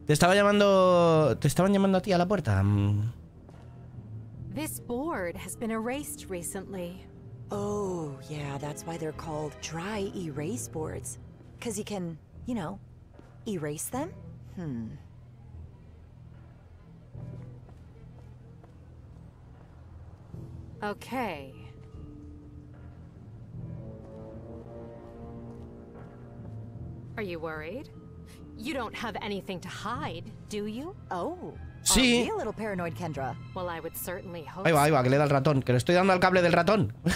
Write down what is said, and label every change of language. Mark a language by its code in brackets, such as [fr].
[es] Te estaban llamando a ti a la puerta. [en] This board has been erased recently. Oh, yeah, that's why they're called dry erase boards. Because you can, you know, erase them? Okay. Are you worried? You don't have anything to hide, do you? Oh. [es] Sí. [en] A little paranoid, Kendra. Well, I would certainly hope. [es] Ahí va, que le da el ratón, que le estoy dando al cable del ratón.